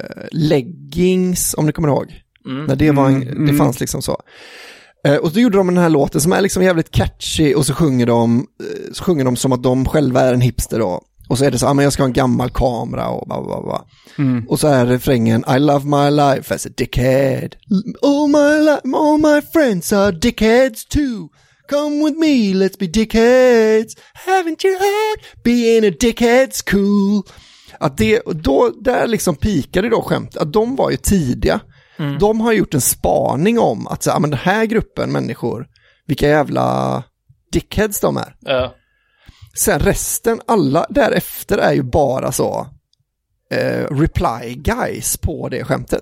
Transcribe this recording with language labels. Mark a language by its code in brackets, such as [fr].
[sv] leggings, om ni kommer ihåg. Mm. När det, var en, det fanns liksom så. Och så gjorde de den här låten som är liksom jävligt catchy och så sjunger de som att de själva är en hipster då. Och så är det så, ah, men jag ska ha en gammal kamera och blah, blah, blah. Mm. Och så är refrängen [en] I love my life as a dickhead. All my friends are dickheads too. Come with me, let's be dickheads. Haven't you heard? Being a dickhead's cool. [sv] Att det, då, där liksom pikade då skämt. Att de var ju tidiga. Mm. De har gjort en spaning om att så, ah, men den här gruppen människor, vilka jävla dickheads de är. Sen resten, alla därefter är ju bara så reply guys på det skämtet.